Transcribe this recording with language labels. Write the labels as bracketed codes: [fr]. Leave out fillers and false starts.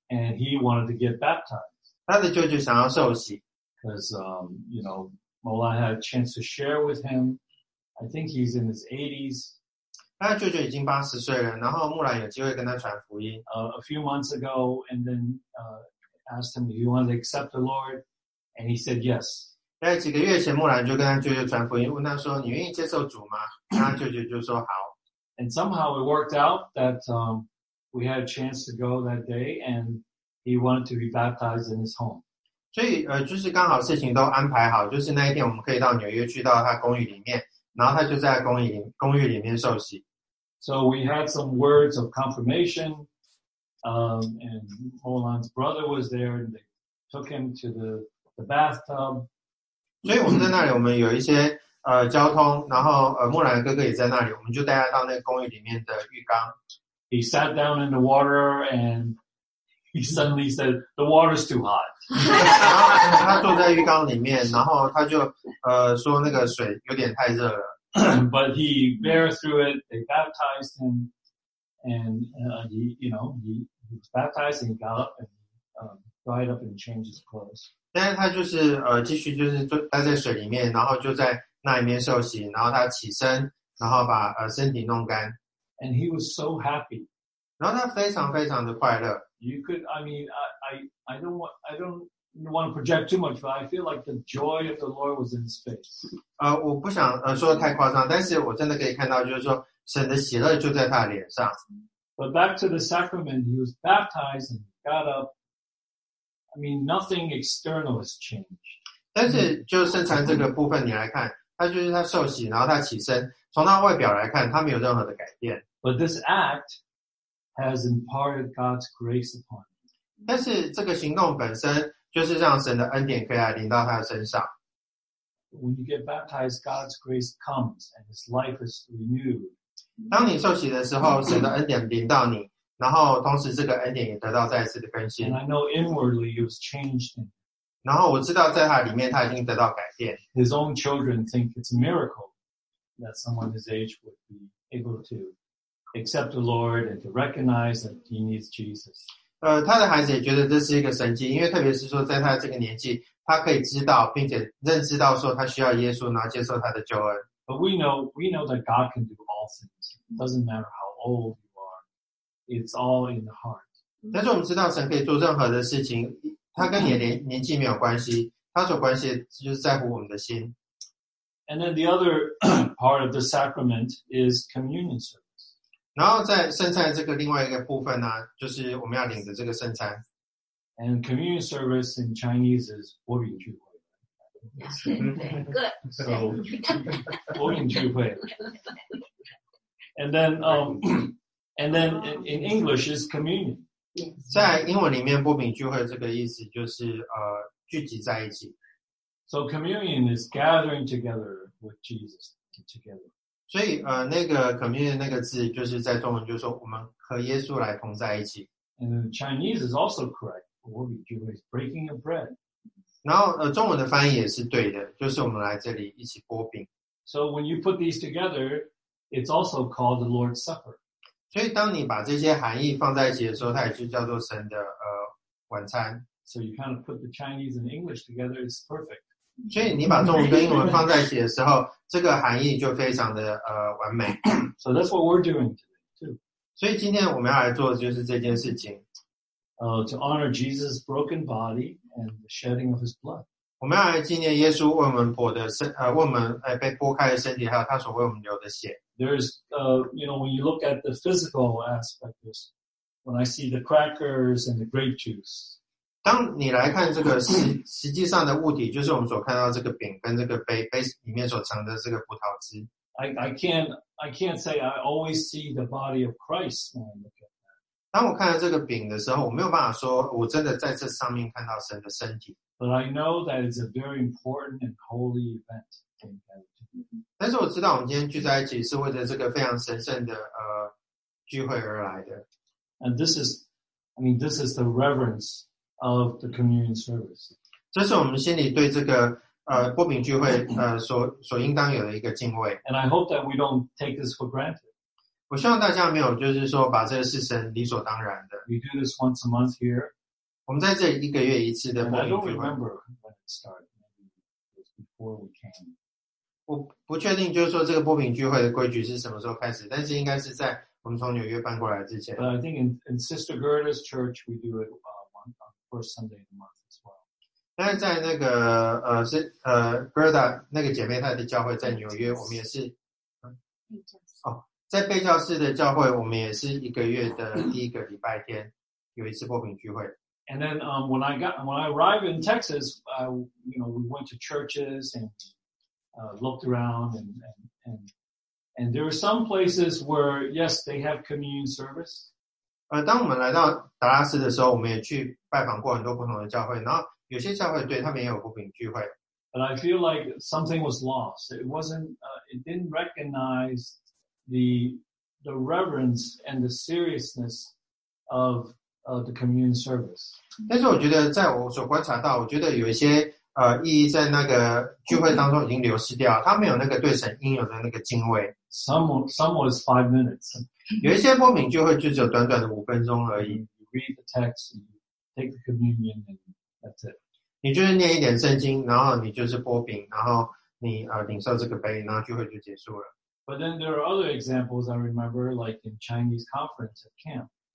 [en] And he wanted to get baptized. [zh] 他的舅舅想要受洗。 [en] Because, you know, Molan had a chance to share with him. I think he's in his 80s. [zh] 他的舅舅已经80岁了然后穆兰有机会跟他传福音。 [en] A few months ago, and then, asked him if he wanted to accept the Lord, and he said yes. [zh] 在几个月前，穆兰就跟他舅舅传福音，问他说：“你愿意接受主吗？” 他舅舅就说：“好。” [en] And somehow it worked out that we had a chance to go that day, and he wanted to be baptized in his home. [zh] 所以就是刚好事情都安排好，就是那一天我们可以到纽约去到他公寓里面，然后他就在公寓里面受洗。 [en] So we had some words of confirmation, and Molan's brother was there, and they took him to the bathtub. [zh] 所以我们在那里我们有一些交通然后木兰哥哥也在那里我们就带他到那个公寓里面的浴缸。 [en] He sat down in the water and he suddenly said, the water's too hot. [zh] 然后他坐在浴缸里面然后他就说那个水有点太热了。 [en] But he bare through it, they baptized him, and he, you know, he was baptized and got up and dried up and changed his clothes. [zh] 但是他就是继续就是待在水里面，然后就在那里面受洗，然后他起身，然后把身体弄干。 [en] And he was so happy. [zh] 然后他非常非常的快乐。 [en] You could, I mean, I don't want to project too much, but I feel like the joy of the Lord was in his face. [zh] 我不想说太夸张，但是我真的可以看到，就是说神的喜乐就在他的脸上。 [en] But back to the sacrament, he was baptized and got up. I mean, nothing external has changed. [zh] 但是就圣餐这个部分你来看，他就是他受洗，然后他起身，从他外表来看，他没有任何的改变。 [en] But this act has imparted God's grace upon him. [zh] 但是这个行动本身。就是让神的恩典可以来临到他的身上。 [en] When you get baptized, God's grace comes and His life is renewed. [zh] 当你受洗的时候，神的恩典临到你，然后同时这个恩典也得到再次的更新。 [en] And I know inwardly He was changed. [zh] 然后我知道在他里面他已经得到改变。 [en] His own children think it's a miracle that someone his age would be able to accept the Lord and to recognize that he needs Jesus. [zh] 他的孩子也觉得这是一个神迹，因为特别是说在他这个年纪，他可以知道并且认知到说他需要耶稣，然后接受他的救恩。 [en] But we know that God can do all things. It doesn't matter how old you are. It's all in the heart. [zh] 但是我们知道神可以做任何的事情，他跟你的年纪没有关系，他所关心的就是在乎我们的心。 [en] And then the other part of the sacrament is communion service. [zh] 然后在圣餐这个另外一个部分呢，就是我们要领着这个圣餐。 [en] And communion service in Chinese is [zh] 国民聚会。 [en] Good. So, [zh] 国民聚会。 [en] And then in English is communion. [zh] 在英文里面，国民聚会这个意思就是聚集在一起。 [en] So communion is gathering together with Jesus together. [zh] 所以那个 communion 那个字就是在中文就是说我们和耶稣来同在一起。 [en] And Chinese is also correct. What we do is breaking of bread. [zh] 然后中文的翻译也是对的，就是我们来这里一起擘饼。 [en] So when you put these together, it's also called the Lord's Supper. [zh] 所以当你把这些含义放在一起的时候，它也就叫做神的晚餐。 [en] So you kind of put the Chinese and English together, it's perfect. [zh] 所以你把中文跟英文放在一起的时候，这个含义就非常的完美。 [en] So that's what we're doing today too. [zh] 所以今天我们要来做的就是这件事情。 [en] To honor Jesus' broken body and the shedding of His blood. [zh] 我们要来纪念耶稣为我们被剥开的身体，还有他所为我们流的血。 [en] There's you know when you look at the physical aspect, when I see the crackers and the grape juice. [zh] 当你来看这个实际上的物体，就是我们所看到这个饼跟这个杯里面所盛的这个葡萄汁。 [en] I can't say I always see the body of Christ when I look at that. [zh] 当我看到这个饼的时候，我没有办法说我真的在这上面看到神的身体。 [en] But I know that it's a very important and holy event. [zh] 但是我知道我们今天聚在一起是为了这个非常神圣的聚会而来的。 [en] And this is the reverence. Of the communion service. [zh] 这是我们心里对这个擘饼聚会所应当有的一个敬畏。 [en] And I hope that we don't take this for granted. [zh] 我希望大家没有就是说把这个事情理所当然的。 [en] We do this once a month here. [zh] 我们在这一个月一次的擘饼聚会。 [en] I don't remember when it started. Maybe it was before we came. [zh] 我不确定就是说这个擘饼聚会的规矩是什么时候开始，但是应该是在我们从纽约搬过来之前。 [en] But I think in Sister Gerda's church we do it. First Sunday of the month as well. [zh] 但是在那个Gerda 那个姐妹她的教会在纽约，我们也是。在贝教士的教会，我们也是一个月的第一个礼拜天有一次擘饼聚会。 [en] And then when I arrived in Texas, we went to churches and looked around and there were some places where yes they have communion service. [zh] 当我们来到达拉斯的时候，我们也去拜访过很多不同的教会，然后有些教会对他们也有公平聚会。 [en] But I feel like something was lost. It wasn't, it didn't recognize the reverence and the seriousness of, the communion service. [zh] 但是我觉得在我所观察到，我觉得有一些意义在那个聚会当中已经流失掉，他没有那个对神应有的那个敬畏。 [en] Some was 5 minutes. [zh] 有一些波敏聚会就只有短短的五分钟而已。 [en] You read the text, you take the communion, and that's it. [zh] 你就是念一点圣经，然后你就是波饼，然后你领受这个杯，然后聚会就结束了。 [en] But then there are other examples I remember, like in Chinese conference at camp.